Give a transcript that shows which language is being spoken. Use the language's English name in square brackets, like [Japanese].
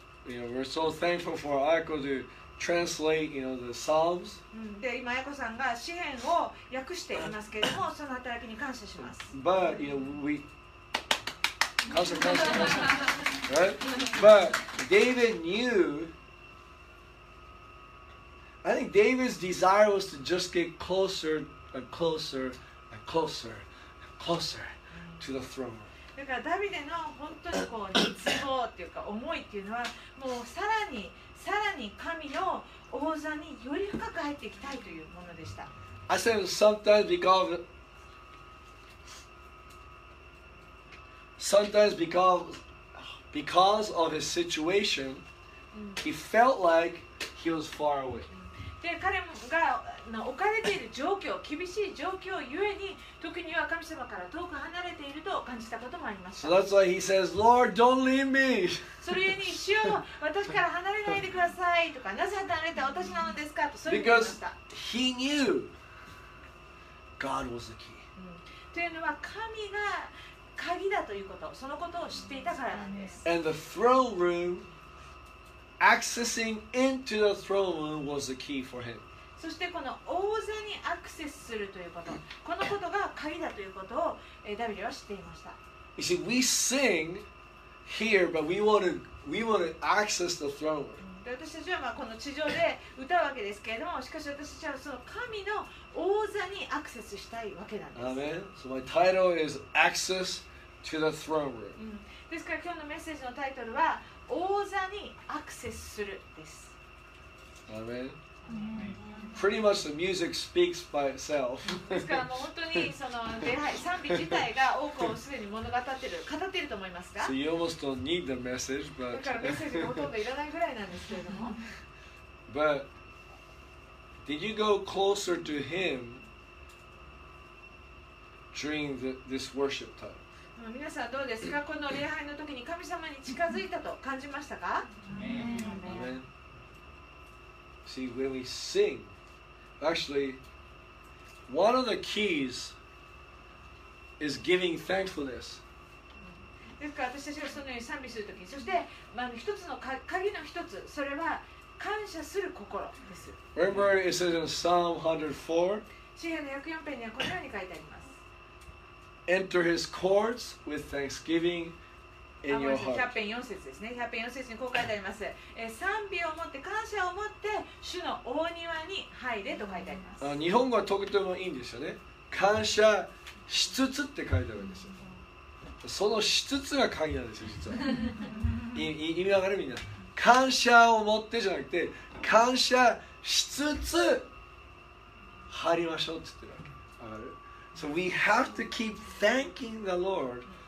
[English] You know, we're so thankful for Ayako to translate, you know, the Psalms. [Japanese] で、今、Ayakoさんが詩編を訳していますけれども、その働きに感謝します。 [English] But, you know, we... [Japanese] 感謝、感謝、感謝。 [English] Right? But, David knew... I think David's desire was to just get closer and closer and closer and closer to the throne. [Japanese] だからダビデの本当にこう熱望っていうか思いっていうのは、もうさらにさらに神の王座により深く入っていきたいというものでした。 [English] I said sometimes because of his situation, he felt like he was far away. [Japanese] で彼が置かれている状況、厳しい状況ゆえに、時には神様から遠く離れていると感じたこともありました。 [English] So that's why he says, Lord, don't leave me. [Japanese] それゆえに、主よ、私から離れないでくださいとか、なぜ離れた私なのですかと、それに言いました。 [English] Because he knew God was the key. [Japanese] というのは、神が鍵だということ、そのことを知っていたからなんです。 [English] And the throne room. Accessing into the throne room was the key for him. [Japanese] そしてこの王座にアクセスするということ、このことが鍵だということをダビデは知っていました。 [English] You see, we sing here, but we want to access the throne room. [Japanese] 私たちはまあこの地上で歌うわけですけれども、しかし私たちはその神の王座にアクセスしたいわけなんです。 [English] Amen. So my title is Access to the Throne Room. [Japanese] ですから今日のメッセージのタイトルは。王座にアクセスするです。 [English] Amen. Pretty much the music speaks by itself. [Japanese] ですからもう本当にその礼拝賛美自体が多くをすでに物語ってる、語っていると思いますか。 [English] So you almost don't need the message, but. [Japanese] だからメッセージがほとんどいらないぐらいなんですけれども。 [English] But did you go closer to him during this worship time? [Japanese] 皆さんどうですか、この礼拝の時に神様に近づいたと感じましたか。 [English] Amen. See, when we sing, actually, one of the keys is giving thankfulness. [Japanese] ですから私たちがそのように賛美するときに、そして、まあ、一つの鍵の一つ、それは感謝する心です。 [English] Remember, it says in Psalm 104? [Japanese] 詩編の104編にはこのように書いてあります。 [English] enter his courts with thanksgiving in your heart. [Japanese] 100編4節ですね。 100編4節にこう書いてあります。賛美を持って感謝を持って主の大庭に入れと書いてあります。日本語はとてもいいんですよね。感謝しつつって書いてあるんですよ。そのしつつが鍵なんですよ、実は。意味わかる？みんな。感謝を持ってじゃなくて、感謝しつつ入りましょうって言ってるわけ。わかる？ [English] So we have to keep thanking the Lord.